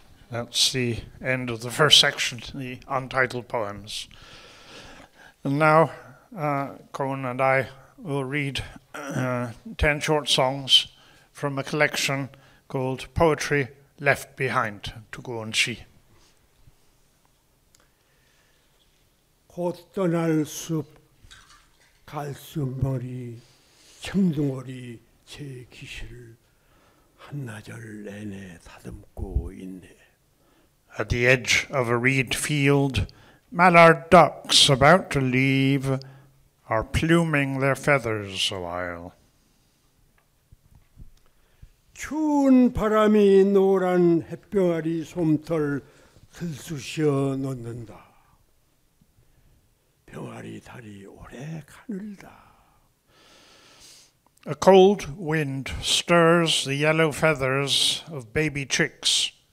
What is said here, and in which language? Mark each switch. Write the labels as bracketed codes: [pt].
[en] That's the end of the first section to the untitled poems. And now, Cohen and I will read 10 short songs from a collection called Poetry Left Behind to Gunsan-si. [ko] 곧 떠날 숲 갈수머리 청둥오리 제 기실 한나절 내내 다듬고 있네. [en] At the edge of a reed field, mallard ducks about to leave are pluming their feathers a while. [ko] 추운 바람이 노란 햇병아리 솜털 들쑤셔 놓는다. 병아리 다리 오래 가늘다. [en] A cold wind stirs the yellow feathers of baby chicks.